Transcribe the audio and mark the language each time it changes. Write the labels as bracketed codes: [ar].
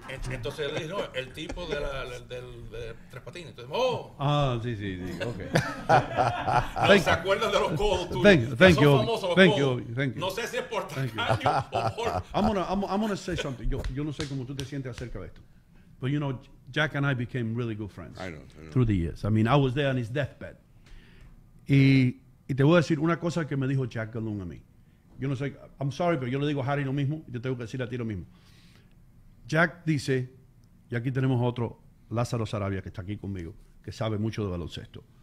[es] Entonces le dije, no, el tipo de tres patines. Entonces, ¡oh! Ah, sí, ok. No se acuerdan de los codos tuyos. [en] Thank you. [es] Son famosos los codos. [en] Thank you. [es] No sé si es por tacaño o por... [en] I'm gonna say something. [es] Yo no sé cómo tú te sientes acerca de esto. [en] But you know, Jack and I became really good friends. I know. Through the years. I mean, I was there on his deathbed. [es] Y te voy a decir una cosa que me dijo Jack Galung a mí. Yo no sé, [en] I'm sorry, [es] pero yo le digo a Harry lo mismo, yo tengo que decir a ti lo mismo. Jack dice, y aquí tenemos otro, Lázaro Sarabia, que está aquí conmigo, que sabe mucho de baloncesto.